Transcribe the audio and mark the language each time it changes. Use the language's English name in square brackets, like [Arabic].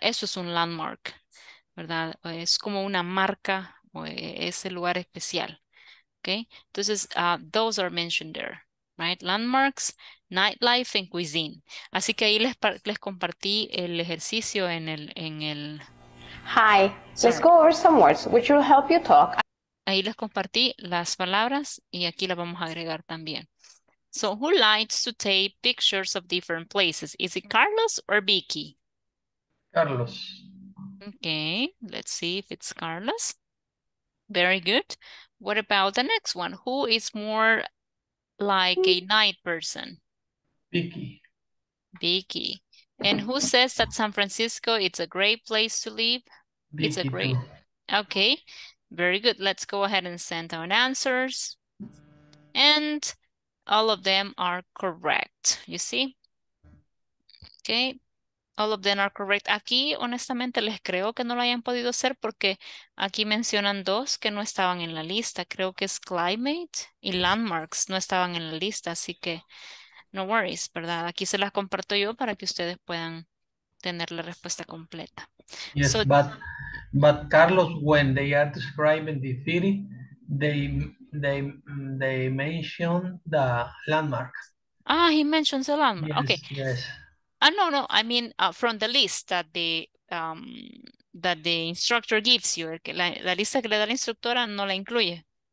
[Spanish] Eso es un landmark, ¿verdad? Es como una marca o ese lugar especial, ¿ok? Entonces, [English] those are mentioned there, right? Landmarks, nightlife and cuisine. [Spanish] Así que ahí les compartí el ejercicio en el... [English] Hi, sorry. Let's go over some words which will help you talk. Ahí les compartí las palabras y aquí las vamos a agregar también. So, who likes to take pictures of different places? Is it Carlos or Vicky? Carlos. Okay, let's see if it's Carlos. Very good. What about the next one? Who is more like a night person? Vicky. Vicky. And who says that San Francisco is a great place to live? It's a great. Okay, very good. Let's go ahead and send our answers. And all of them are correct, you see? Okay, all of them are correct. [Spanish] Aquí, honestamente, les creo que no lo hayan podido hacer porque aquí mencionan dos que no estaban en la lista. Creo que es climate y landmarks no estaban en la lista, así que [English] no worries, [Spanish] ¿verdad? Aquí se las comparto yo para que ustedes puedan tener la respuesta completa. [English] Yes, so, but Carlos, when they are describing the city, they mention the landmark. Ah, he mentions the landmark. Yes, okay. Yes. No. I mean, from the list that the instructor gives you, [Spanish] la lista que le da la instructora no la incluye.